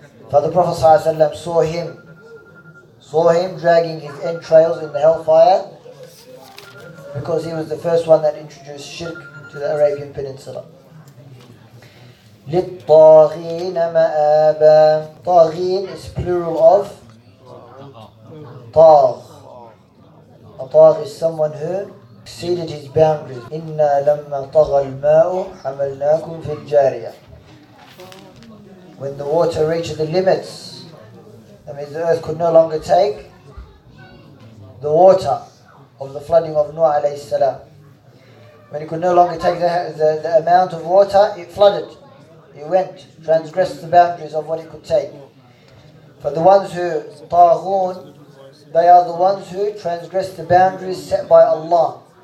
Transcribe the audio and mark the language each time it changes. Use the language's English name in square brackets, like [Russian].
[English] For the Prophet ﷺ saw him dragging his entrails in the hellfire because he was the first one that introduced shirk to the Arabian Peninsula. [Arabic] للطاغين مآبا. طاغين [English] is plural of [Arabic] طاغ. [English] A طاغ is someone who exceeded his boundaries. [Arabic] إنا لما طغى الماء حملناكم في الجارية. [English] When the water reached the limits, that means the earth could no longer take the water of the flooding of Nuh عليه السلام. When it could no longer take the amount of water, it flooded. It went, transgressed the boundaries of what it could take. For the ones who, طاغون, they are the ones who transgress the boundaries set by Allah.